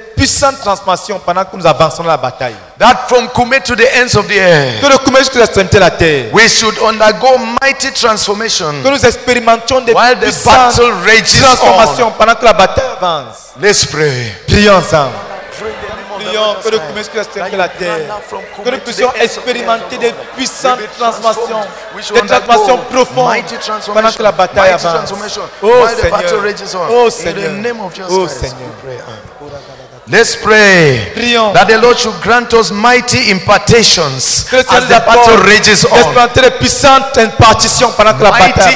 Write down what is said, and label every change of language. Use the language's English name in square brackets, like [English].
[French] puissante transformation pendant que nous avançons dans la bataille. [English] That from Kume to the ends of the earth. [French] Que de Kume jusqu'à l'extrémité de la terre. [English] We should undergo mighty transformation. [French] Que nous expérimentions des [English] while [French] puissantes [English] the battle rages [French] transformations [English] on. [French] Pendant que la bataille avance. [English] Let's pray. [French] Prions ensemble. Prions que de Kume jusqu'à l'extrémité de la terre. Que nous puissions expérimenter des puissantes transformations. Des transformations profondes pendant que la bataille avance. Oh Seigneur. Oh Seigneur. Oh Seigneur. [English] Let's pray. [French] Prions. [English] That the Lord should grant us mighty impartations as the battle rages on. [French] Des puissantes impartations pendant que la bataille avance.